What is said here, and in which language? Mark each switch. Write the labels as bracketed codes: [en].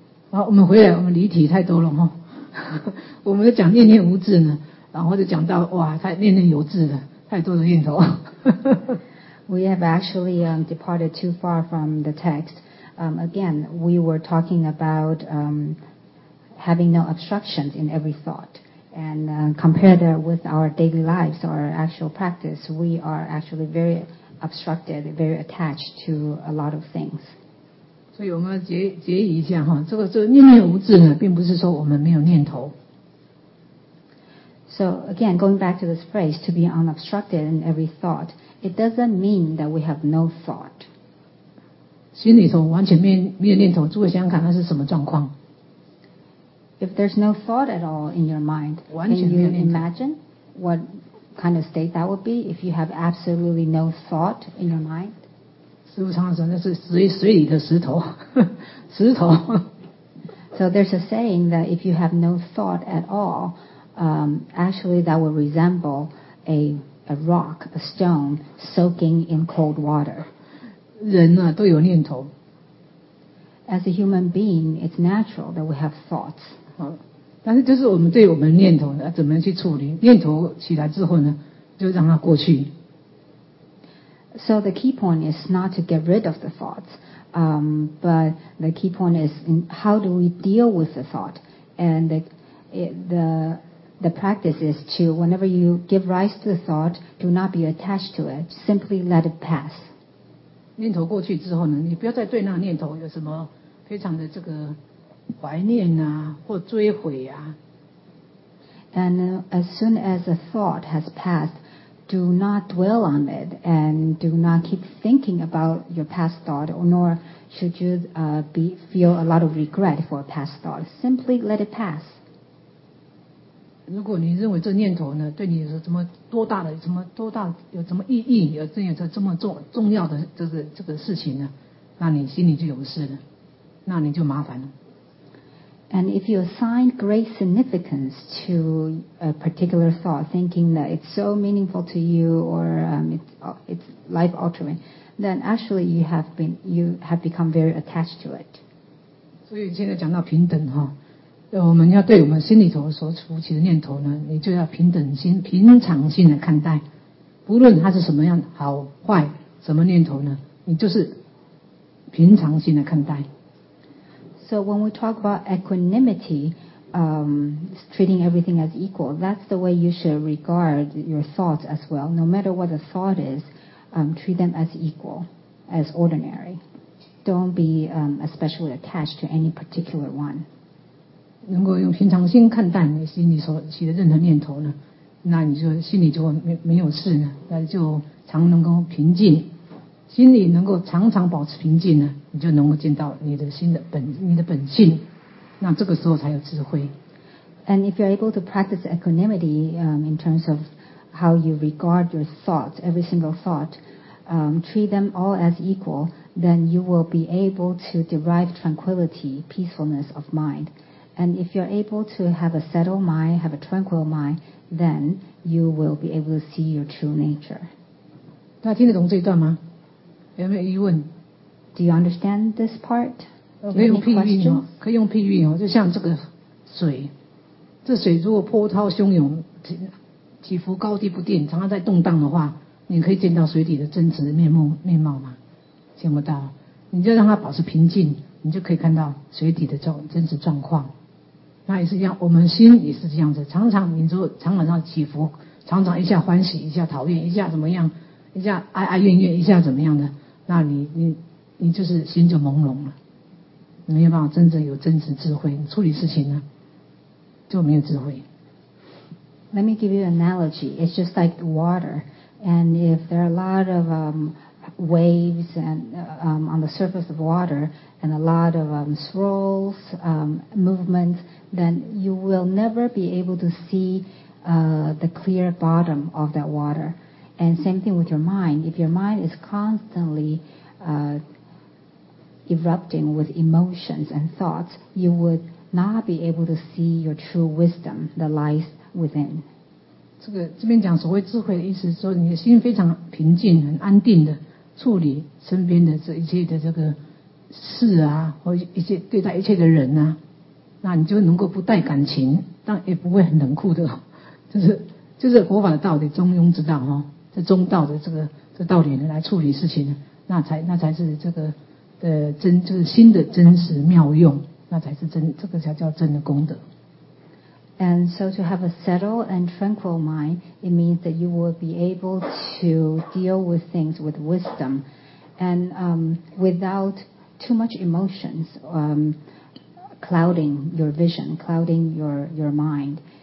[zh] 好，我们回来，我们离题太多了哈。我们讲念念无字呢，然后就讲到哇，太念念有字了，太多的念头。 [en] We have actually departed too far from the text. Again, we were talking about having no obstructions in every thought, and compare that with our daily lives, our actual practice. We are actually very. Obstructed, very attached to a lot of things. [zh] 所以我们结一下哈，这个念念无字呢，并不是说我们没有念头。 [en] So again, going back to this phrase, to be unobstructed in every thought, it doesn't mean that we have no thought. [zh] 心里头完全没有念头，诸位想想看，那是什么状况 [en] ？If there's no thought at all in your mind, can you imagine what? Kind of state that would be if you have absolutely no thought in your mind. [zh] 师父常常说那是水里的石头，石头。 [en] So there's a saying that if you have no thought at all, actually that would resemble a a rock, a stone soaking in cold water. [zh] 人啊，都有念头。 [en] As a human being, it's natural that we have thoughts. [zh] 但是就是我们对我们念头啊，怎么去处理？念头起来之后呢，就让它过去。 [en] So the key point is not to get rid of the thoughts, but the key point is in how do we deal with the thought? And the practice is to whenever you give rise to the thought, do not be attached to it. Simply let it pass. [zh] 念头过去之后呢，你不要再对那念头有什么非常的这个怀念啊，或追悔啊。 [en] And as soon as a thought has passed,Do not dwell on it, and do not keep thinking about your past thought, nor should you feel a lot of regret for a past thought. Simply let it pass. [zh] 如果你认为这念头呢，对你有什么多大的、什么多大、有什么意义、有这样的这么重要的这个事情呢，那你心里就有事了，那你就麻烦了。 [en] And if you assign great significance to a particular thought, thinking that it's so meaningful to you or it's life-altering, then actually you have become very attached to it. [zh] 所以现在讲到平等哈，我们要对我们心里头所浮起的念头呢，你就要平等心、平常心的看待，不论它是什么样好坏，什么念头呢，你就是平常心的看待。 [en] So when we talk about equanimity, treating everything as equal, that's the way you should regard your thoughts as well. No matter what the thought is, treat them as equal, as ordinary. Don't be especially attached to any particular one. [zh] 能够用平常心看待你心里所起的任何念头呢，那你就心里就没有事呢，那就常能够平静。心里能够常常保持平静呢，你就能够见到你的心的本你的本性，那这个时候才有智慧。 [en] And if you're able to practice equanimity, in terms of how you regard your thoughts, every single thought, treat them all as equal, then you will be able to derive tranquility, peacefulness of mind. And if you're able to have a settled mind, have a tranquil mind, then you will be able to see your true nature. [zh] 大家听得懂这一段吗？有没有疑问？ [en] Do you understand this part? [zh] 可以用譬喻哦，可以用譬喻哦，就像这个水，这水如果波涛汹涌，起伏高低不定，常常在动荡的话，你可以见到水底的真实面貌吗？见不到。你就让它保持平静，你就可以看到水底的真实状况。那也是一样，我们心也是这样子，常常你说常常起伏，常常一下欢喜，一下讨厌，一下怎么样？一下哀哀怨怨，一下怎么样的，那你就是心就朦胧了，没有办法真正有真实智慧。处理事情呢，就没有智慧。 [en] Let me give you an analogy. It's just like water, and if there are a lot of waves and on the surface of water, and a lot of swirls, movements, then you will never be able to see the clear bottom of that water. And same thing with your mind. If your mind is constantly erupting with emotions and thoughts, you would not be able to see your true wisdom that lies within. [zh] 这边讲所谓智慧的意思，说你的心非常平静、很安定的处理身边的这一切的这个事啊，或一些对待一切的人啊，那你就能够不带感情，但也不会很冷酷的，就是佛法的道理，中庸之道哦。这中道的这道理呢，来处理事情呢，那才是这个的真，就是心的真实妙用，那才是真，这个才叫真的功德。 [en] And so to have a settled and tranquil mind, it means that you will be able to deal with things with wisdom, and without too much emotions clouding your vision, clouding your mind.